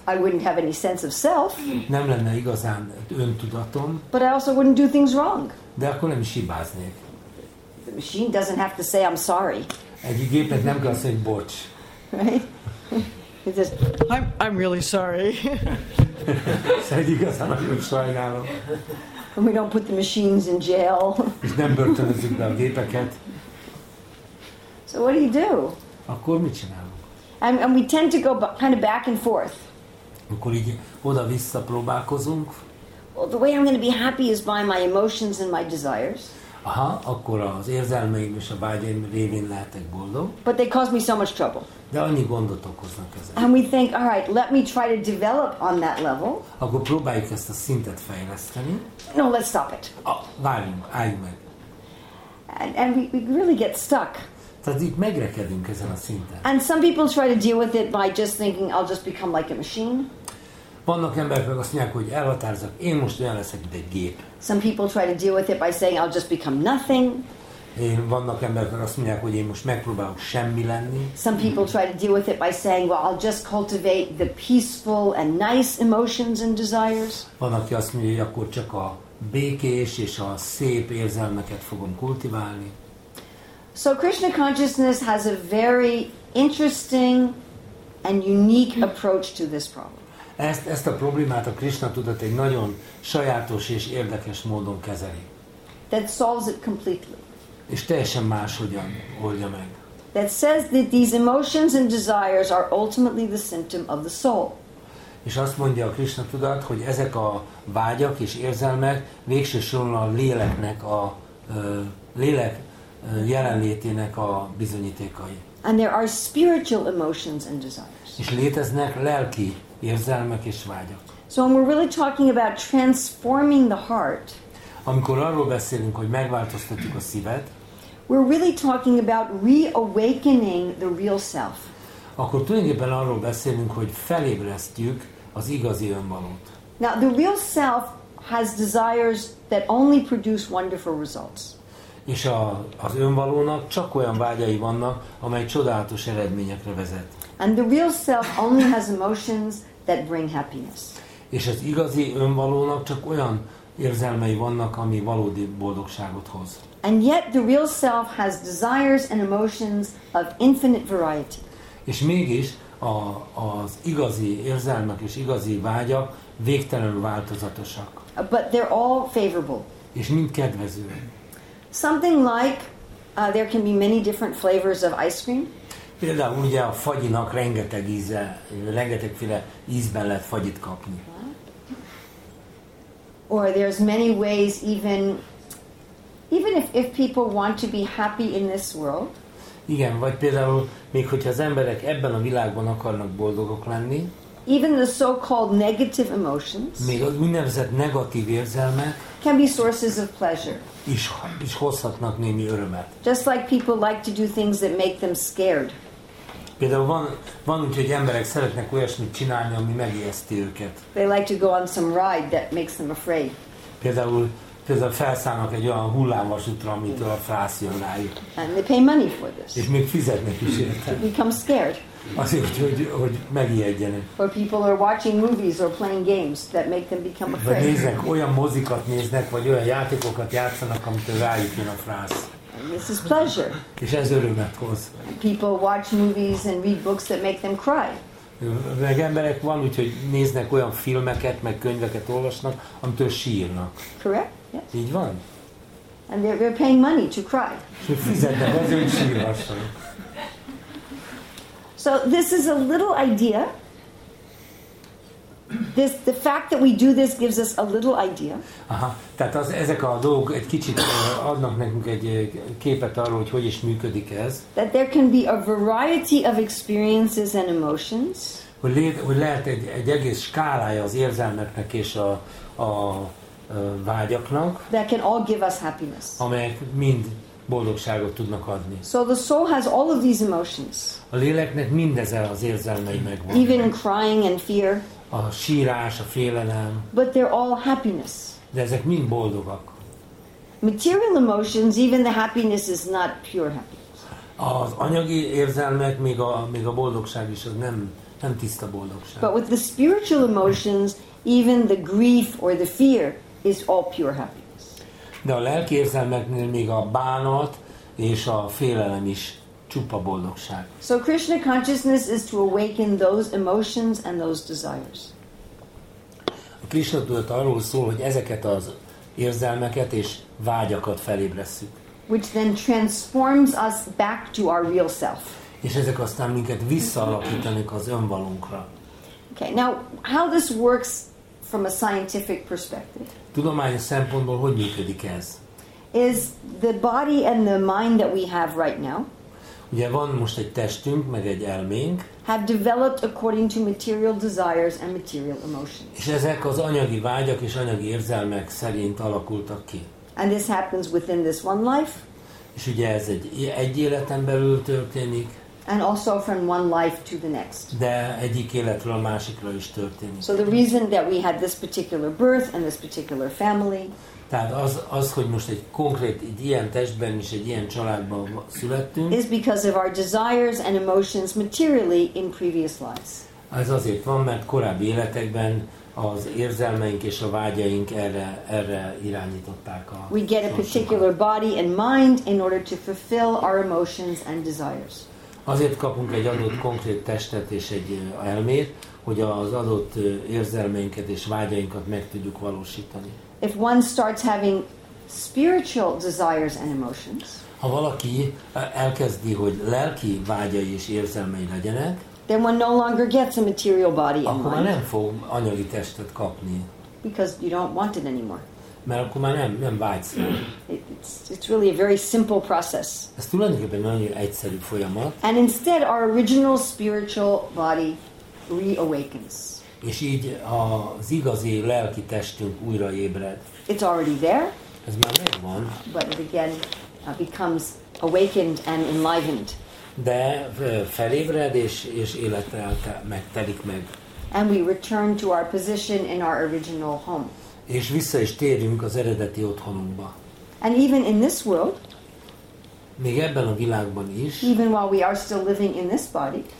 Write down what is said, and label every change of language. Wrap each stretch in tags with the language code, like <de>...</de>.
<en>I wouldn't have any sense of self.</en> <hu>Nem lenne igazán öntudatom.</hu> <en>But I also wouldn't do things wrong.</en> <hu>De akkor nem is hibáznék.</hu> <en>The machine doesn't have to say I'm sorry.</en> <hu>Egy gépet nem kell azt mondani, bocs.</hu> <en>Right? He says, I'm really sorry.</en> <hu>Szerint igazán nagyon sajnálom.</hu> <en>And we don't put the machines in jail.</en> <hu>És nem börtönözzük be a gépeket.</hu> <en>So what do you do?</en> <hu>Akkor mit csinálunk?</hu> <en>And we tend to go kind of back and forth.</en> <hu>Akkor így oda-vissza próbálkozunk.</hu> <en>Well, the way I'm going to be happy is by my emotions and my desires.</en> <hu>Aha, akkor az érzelmeim és a vágyaim révén lehetek boldog.</hu> <en>But they cause me so much trouble.</en> <hu>De annyi gondot okoznak ezek.</hu> <en>And we think, all right, let me try to develop on that level.</en> <hu>Akkor próbáljuk ezt a szintet fejleszteni.</hu> <en>No, let's stop it.</en> <hu>Várjunk, álljunk meg.</hu> <en>And we really get stuck.</en> <hu>Tehát itt megrekedünk ezen a szinten.</hu> <en>And some people try to deal with it by just thinking, I'll just become like a machine.</en> <hu>Vannak emberek, meg azt mondják, hogy elhatározok, én most olyan leszek, mint egy gép.</hu> <en>Some people try to deal with it by saying, I'll just become nothing.</en> <hu>Vannak emberek, meg azt mondják, hogy én most megpróbálok semmi lenni.</hu> <en>Some people try to deal with it by saying, well, I'll just cultivate the peaceful and nice emotions and desires.</en> <hu>Van, aki azt mondja, hogy akkor csak a békés és a szép érzelmeket fogom kultiválni.</hu> <en>So Krishna consciousness has a very interesting and unique approach to this problem.</en> <hu>Ezt a problémát a Krishna tudat egy nagyon sajátos és érdekes módon kezeli.</hu> <en>That solves it completely.</en> <hu>És teljesen máshogyan oldja meg.</hu> <en>That says that these emotions and desires are ultimately the symptom of the soul.</en> <hu>És azt mondja a Krishna tudat, hogy ezek a vágyak és érzelmek végső soron a léleknek a lélek jelenlétének a bizonyítékai.</hu> <en>And there are spiritual emotions and desires.</en> <hu>És léteznek lelki érzelmek és vágyak.</hu> <en>So when we're really talking about transforming the heart,</en> <hu>amikor arról beszélünk, hogy megváltoztatjuk a szívet,</hu> <en>we're really talking about reawakening the real self.</en> <hu>Akkor tulajdonképpen arról beszélünk, hogy felébresztjük az igazi önmagot.</hu> <en>Now the real self has desires that only produce wonderful results.</en> <hu>És az önvalónak csak olyan vágyai vannak, amely csodálatos eredményekre vezet.</hu> <en>And the real self only has emotions that bring happiness.</en> <hu>És az igazi önvalónak csak olyan érzelmei vannak, ami valódi boldogságot hoz.</hu> <en>And yet the real self has desires and emotions of infinite variety.</en> <hu>És mégis az igazi érzelmek és igazi vágyak végtelenül változatosak.</hu> <en>But they're all favorable.</en> <hu>És mind kedvező.</hu> <en>Something like there can be many different flavors of ice cream.</en> <hu>Például ugye a fagyinak rengeteg íze, rengetegféle ízben lehet fagyit kapni.</hu> <en>Or there's many ways even if people want to be happy in this world.</en> <hu>Igen, vagy például még hogyha az emberek ebben a világban akarnak boldogok lenni.</hu> <en>Even the so-called negative emotions.</en> <hu>Még az úgynevezett negatív érzelmek.</hu> <en>Can be sources of pleasure.</en> <hu>Is hozhatnak némi örömet.</hu> <en>Just like people like to do things that make them scared.</en> <hu>Például van úgy, hogy emberek szeretnek olyasmit csinálni, ami megijeszti őket.</hu> <en>They like to go on some ride that makes them afraid.</en> <hu>Például felszállnak egy olyan hullámvasútra, amitől a frász jön rájuk.</hu> <en>And they pay money for this.</en> <hu>És még fizetnek is érte.</hu> <en>To become scared.</en> <hu>Azért, hogy megijedjenek.</hu> <en>Or people are watching movies or playing games that make them become afraid.</en> <hu>Vagy néznek, olyan mozikat néznek, vagy olyan játékokat játszanak, amitől rájuk jön a frász.</hu> <en>This is pleasure.</en> <hu>És ez örömet hoz.</hu> <en>People watch movies and read books that make them cry.</en> <hu>Meg emberek van, úgyhogy néznek olyan filmeket, meg könyveket olvasnak, amitől sírnak.</hu> <en>Correct? Yes.</en> <hu>Így van.</hu> <en>And they're paying money to cry.</en> <hu>És fizetnek azért, hogy sírhassanak.</hu> <en>So this is a little idea. This, the fact that we do this gives us a little idea.</en> <hu>Aha, tehát ezek a dolgok egy kicsit adnak nekünk egy képet arról, hogy hogyan is működik ez.</hu> <en>That there can be a variety of experiences and emotions.</en> <hu>Hogy lehet egy egész skálája az érzelmeknek és a vágyaknak.</hu> <en>That can all give us happiness.</en> <hu>Amelyek mind boldogságot tudnak adni.</hu> <en>So the soul has all of these emotions.</en> <hu>A léleknek mindezen az érzelmei megvan.</hu> <en>Even crying and fear.</en> <hu>A sírás, a félelem.</hu> <en>But they're all happiness.</en> <hu>De ezek mind boldogak.</hu> <en>Material emotions, even the happiness is not pure happiness.</en> <hu>Az anyagi érzelmek, még a boldogság is, az nem tiszta boldogság.</hu> <en>But with the spiritual emotions, even the grief or the fear is all pure happiness.</en> <hu>De a lelki érzelmeknél még a bánat és a félelem is csupa boldogság.</hu> <en>So Krishna consciousness is to awaken those emotions and those desires.</en> <hu>A Krishna tudat arról szól, hogy ezeket az érzelmeket és vágyakat felébresszük.</hu> <en>Which then transforms us back to our real self.</en> <hu>És ezek aztán minket visszaalakítanak az önvalunkra.</hu> <en>Okay, now how this works from a scientific perspective?</en> <hu>Tudományos szempontból hogy működik ez?</hu> <en>Is the body and the mind that we have right now?</en> <hu>Ugye van most egy testünk, meg egy elménk.</hu> <en>Have developed according to material desires and material emotions.</en> <hu>És ezek az anyagi vágyak és anyagi érzelmek szerint alakultak ki.</hu> <en>And this happens within this one life.</en> <hu>És ugye ez egy életen belül történik.</hu> <en>And also from one life to the next.</en> <hu>De egyik életről a másikra is történik.</hu> <en>So the reason that we had this particular birth and this particular family.</en> <hu>Tehát az, hogy most egy konkrét, egy ilyen testben és egy ilyen családban születtünk.</hu> <en>Is because of our desires and emotions materially in previous lives.</en> <hu>Ez azért van, mert korábbi életekben az érzelmeink és a vágyaink erre irányították a.</hu> <en>We get a particular body and mind in order to fulfill our emotions and desires.</en> <hu>Azért kapunk egy adott konkrét testet és egy elmét, hogy az adott érzelmeinket és vágyainkat meg tudjuk valósítani.</hu> <en>If one starts having spiritual desires and emotions,</en> <hu>ha valaki elkezdi, hogy lelki vágyai és érzelmei legyenek,</hu> <en>then one no longer gets a material body and mind.</en> <hu>Akkor már nem fog anyagi testet kapni.</hu> <en>Because you don't want it anymore.</en> <hu>Mert akkor már nem vágysz.</hu> <en>It's really a very simple process.</en> <hu>Ez tulajdonképpen nagyon egyszerű folyamat.</hu> <en>And instead our original spiritual body reawakens.</en> <hu>És így az igazi lelki testünk újra ébred.</hu> <en>It's already there.</en> <hu>Ez már megvan.</hu> <en>But it again becomes awakened and enlivened.</en> <hu>De felébred és életre megtelik meg.</hu> <en>And we return to our position in our original home.</en> <hu>És vissza is térünk az eredeti otthonunkba.</hu> <en>And even in this world.</en> <hu>Még ebben a világban is.</hu> <en>Even while we are still living in this body.</en>